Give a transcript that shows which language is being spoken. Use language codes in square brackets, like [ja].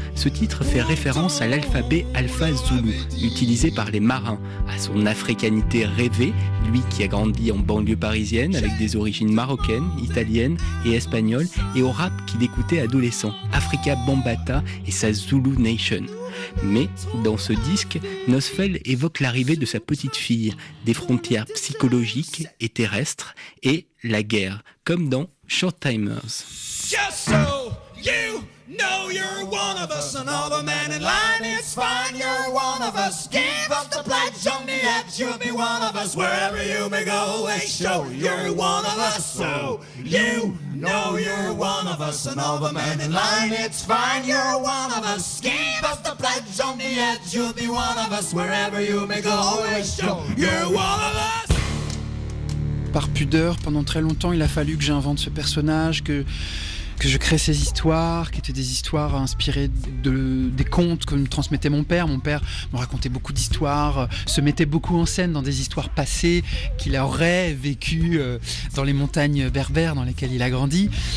[fr] Ce titre fait référence à l'alphabet Alpha Zulu, utilisé par les marins, à son africanité rêvée, lui qui a grandi en banlieue parisienne avec des origines marocaines, italiennes et espagnoles, et au rap qu'il écoutait adolescent, Africa Bambaataa et sa Zulu Nation. Mais, dans ce disque, Nosfeld évoque l'arrivée de sa petite fille, des frontières psychologiques et terrestres, et la guerre, comme dans Short Timers. [en] Just so you know you're one of us, another man in line, it's fine, you're one of us. Give up the pledge, show me that you'll be one of us, wherever you may go, hey, show you're one of us. So you know you're one of us, another man in line, it's fine, you're one of us. Give up the pledge, show me that you'll be one of us, wherever you may go, hey, show you're one of us. [fr] Par pudeur, pendant très longtemps, il a fallu que j'invente ce personnage, que je crée ces histoires qui étaient des histoires inspirées de, des contes que me transmettait mon père. Mon père me racontait beaucoup d'histoires, se mettait beaucoup en scène dans des histoires passées qu'il aurait vécues dans les montagnes berbères dans lesquelles il a grandi.